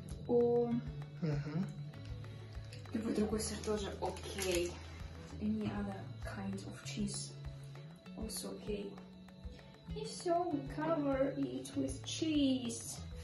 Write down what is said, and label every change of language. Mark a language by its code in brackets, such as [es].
[ru] Любой другой сыр тоже окей. [en] Any other kind of cheese also okay. [ru] И все, [en] we cover it with cheese.